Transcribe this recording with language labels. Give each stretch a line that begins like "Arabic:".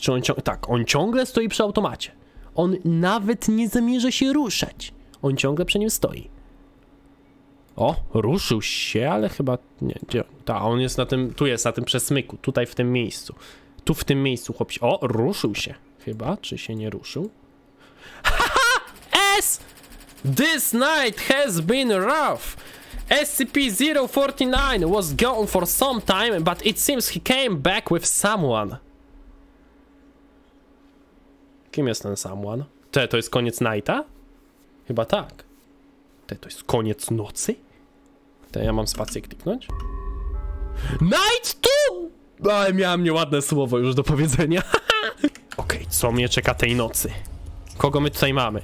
Polish: Czy on tak, on ciągle stoi przy automacie. On nawet nie zamierza się ruszać. On ciągle przy nim stoi. O, ruszył się, ale chyba... Nie, gdzie on? Ta, on jest na tym, tu jest, na tym przesmyku. Tutaj w tym miejscu. Tu w tym miejscu chłop się... O, ruszył się. Chyba, czy się nie ruszył? Haha! S!
English: This night has been rough! SCP-049 was gone for some time, but it seems he came back with someone.
Polish: Kim jest ten someone? Te, to jest koniec nighta? Chyba tak. Te, to jest koniec nocy? Te, ja mam spację kliknąć? Night 2! Ale miałem nieładne słowo już do powiedzenia. Okej, okay, co mnie czeka tej nocy? Kogo my tutaj mamy?